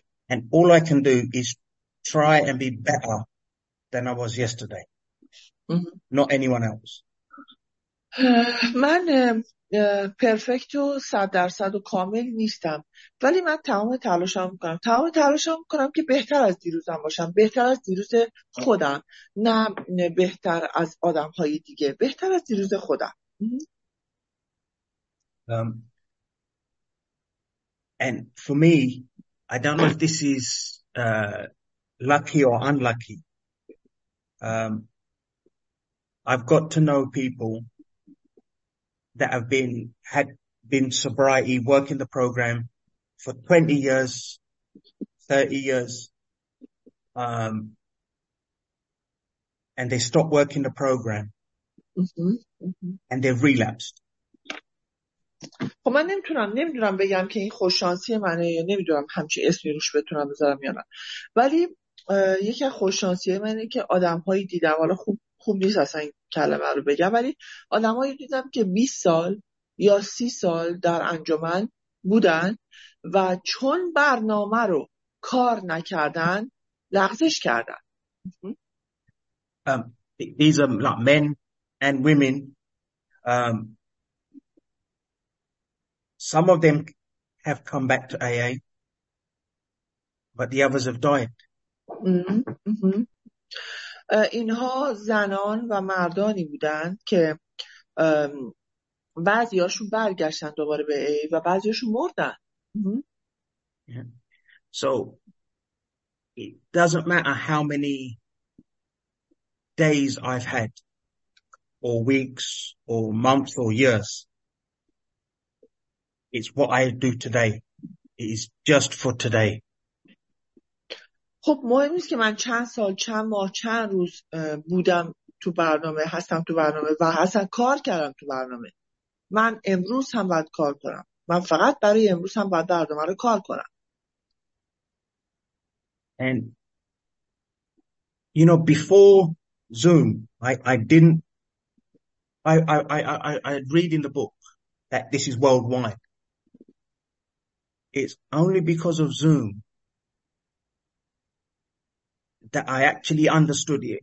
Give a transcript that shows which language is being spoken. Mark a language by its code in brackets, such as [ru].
[en] And all I can do is try and be better than I was yesterday. Not anyone else. [fa] من پرفکت و 100% و کامل نیستم، ولی من تمام تلاشم میکنم، تمام تلاشم میکنم که بهتر از دیروزم باشم، بهتر از دیروز خودم، نه بهتر از آدم های دیگه، بهتر از دیروز خودم. [en] And for me, I don't know if this is lucky or unlucky. I've got to know people that have been, had been sobriety working the program for 20 years, 30 years, and they stopped working the program and they've relapsed. [fa] خب من نمیتونم بگم که این خوششانسی منه یا نمیدونم همچی اسمی روش بتونم بذارم یا نه، ولی یکی خوششانسی منه که آدم هایی دیدم، حالا خوب نیست اصلا کلمه رو بگم، ولی آدم هایی دیدم که 20 سال یا 30 سال در انجمن بودن و چون برنامه رو کار نکردن لغزش کردن. [en] These are like men and women. Some of them have come back to AA, but the others have died. [fa] اینها زنان و مردانی بودند که بعضی هاشون برگشتن دوباره به ای و بعضی هاشون مردن. [en] So it doesn't matter how many days I've had or weeks or months or years. It's what I do today. It is just for today. [fa] خب مهم نیست که من چند سال، چند ماه، چند روز بودم تو برنامه، هستم تو برنامه و اصلا کار کردم تو برنامه. من امروز هم باید کار کنم. من فقط برای امروز هم باید برنامه رو کار کنم. [en] And, you know, before Zoom, I read in the book that this is worldwide. It's only because of Zoom that I actually understood it.